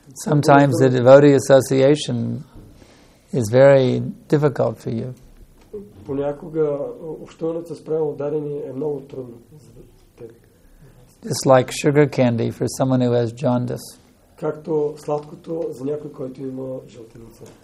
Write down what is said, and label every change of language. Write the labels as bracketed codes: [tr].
[en] Sometimes the devotee association is very difficult for you. [bg] Понякога общуването с правилно дарени е много трудно за теб. [en] Just like sugar candy for someone who has jaundice. [bg] Както сладкото за някой, който има жълтеница.